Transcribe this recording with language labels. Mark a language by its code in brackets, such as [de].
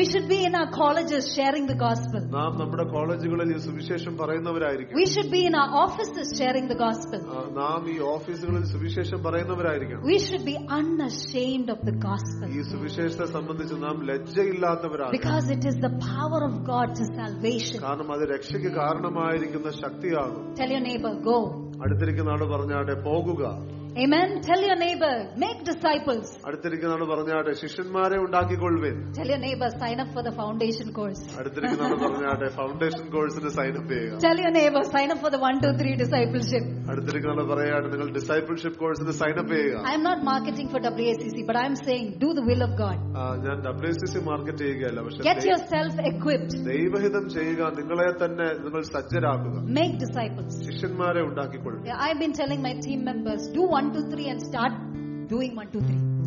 [en] we should be in our colleges sharing the gospel [ml] നാം നമ്മുടെ കോളേജുകളിൽ ഈ സുവിശേഷം പറയുന്നവരായിരിക്കണം. [en] we should be in our offices sharing the gospel [ml] നാം ഈ ഓഫീസുകളിൽ സുവിശേഷം പറയുന്നവരായിരിക്കണം. [en] We should be unashamed of the gospel. [ml] ഈ സുവിശേഷത്തെ സംബന്ധിച്ച് നാം ലജ്ജയില്ലാത്തവരാണ്. [en] Because it is the power of God to salvation. [ml] കാരണം അത് രക്ഷയ്ക്ക് കാരണമായിരിക്കുന്ന ശക്തിയാണ്. [en] Tell your neighbor go. [ml] അടുത്തിരിക്കുന്ന ആള് പറഞ്ഞാട്ടെ പോകുക. [en] Amen. Tell your neighbor, make disciples. [ml] അടുത്തിരിക്കുന്നവർ പറഞ്ഞാട്ടെ ശിഷ്യന്മാരെ ഉണ്ടാക്കിക്കൊള്ളുവിൻ. [en] Tell your neighbor, sign up for the foundation course. [ml] അടുത്തിരിക്കുന്നവർ പറഞ്ഞാട്ടെ ഫൗണ്ടേഷൻ കോഴ്സിന് സൈൻ അപ്പ് ചെയ്യുക. [en] Tell your neighbor, sign up for the 1-2-3 discipleship. [ml] അടുത്തിരിക്കുന്നവർ പറയാട്ടെ നിങ്ങൾ ഡിസൈപ്പിൾഷിപ്പ് കോഴ്സിന് സൈൻ അപ്പ് ചെയ്യുക. [en] I am not marketing for WACC, but I am saying do the will of God. [ml] ഞാൻ WACC market ചെയ്യുകയല്ല, പക്ഷേ [en] get yourself equipped. [ml] ദൈവഹിതം ചെയ്യുക, നിങ്ങളെ തന്നെ നിങ്ങൾ സജ്ജരാക്കുക. [en] Make disciples. [ml] ശിഷ്യന്മാരെ ഉണ്ടാക്കിക്കൊള്ളുക. [en] I have been telling my team members, do 1-2-3 and start doing 1-2-3.